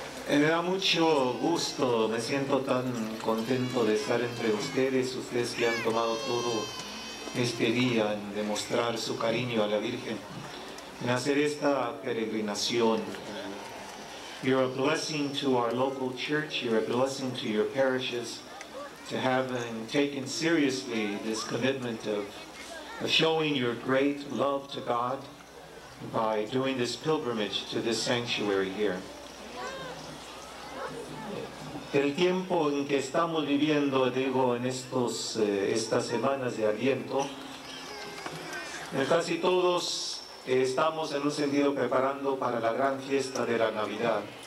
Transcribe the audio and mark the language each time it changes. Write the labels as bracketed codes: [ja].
[es] Me da mucho gusto, me siento tan contento de estar entre ustedes, ustedes que han tomado todo este día en demostrar su cariño a la Virgen, en hacer esta peregrinación. [en] You're a blessing to our local church, you're a blessing to your parishes, to have taken seriously this commitment of showing your great love to God by doing this pilgrimage to this sanctuary here. [es] El tiempo en que estamos viviendo, digo, en estos estas semanas de Adviento, casi todos estamos en un sentido preparando para la gran fiesta de la Navidad.